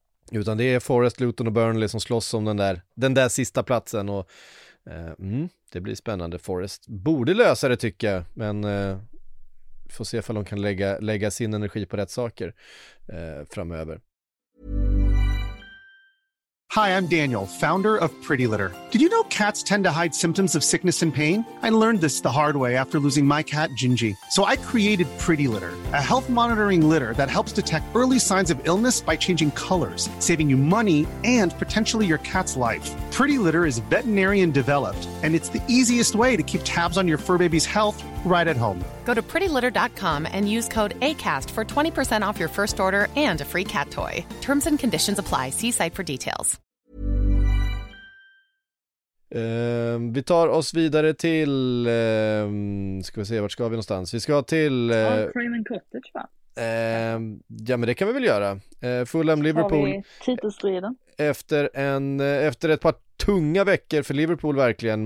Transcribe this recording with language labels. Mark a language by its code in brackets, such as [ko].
[sv] Utan det är Forest, Luton och Burnley som slåss om den där sista platsen. Och det blir spännande. Forest borde lösa det, tycker jag, men få se om de kan lägga sin energi på rätt saker framöver. [en] Hi, I'm Daniel, founder of Pretty Litter. Did you know cats tend to hide symptoms of sickness and pain? I learned this the hard way after losing my cat, Gingy. So I created Pretty Litter, a health monitoring litter that helps detect early signs of illness by changing colors, saving you money and potentially your cat's life. Pretty Litter is veterinarian developed, and it's the easiest way to keep tabs on your fur baby's health right at home. Go to prettylitter.com and use code ACAST for 20% off your first order and a free cat toy. Terms and conditions apply. See site for details. [sv] Vi tar oss vidare till ska vi se, vart ska vi någonstans? Vi ska till Craven Cottage, va? Ja, men det kan vi väl göra. Fulham Liverpool. Titelstriden. Efter ett par tunga veckor för Liverpool, verkligen.